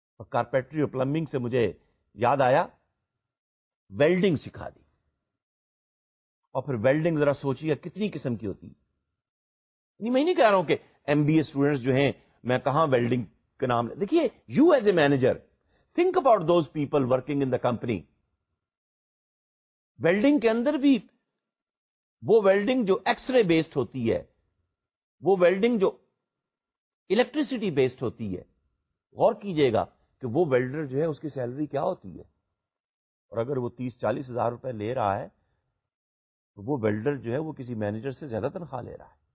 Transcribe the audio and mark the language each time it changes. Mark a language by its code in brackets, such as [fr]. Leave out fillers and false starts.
[ur] Carpentry اور plumbing سے مجھے یاد آیا ویلڈنگ سکھا دی. اور پھر ویلڈنگ ذرا سوچیے کتنی قسم کی ہوتی. نہیں, میں نہیں کہہ رہا ہوں کہ ایم بی اے اسٹوڈینٹس جو ہیں, میں کہاں ویلڈنگ کا نام. [en] دیکھیے, you as a manager think about those people working in the company. [ur] Welding کے اندر بھی وہ ویلڈنگ جو ایکس رے بیسڈ ہوتی ہے, وہ ویلڈنگ جو الیکٹریسٹی بیسڈ ہوتی ہے, غور کیجئے گا کہ وہ ویلڈر جو ہے اس کی سیلری کیا ہوتی ہے. اور اگر وہ 30-40 ہزار روپے لے رہا ہے تو وہ ویلڈر جو ہے وہ کسی مینیجر سے زیادہ تنخواہ لے رہا ہے.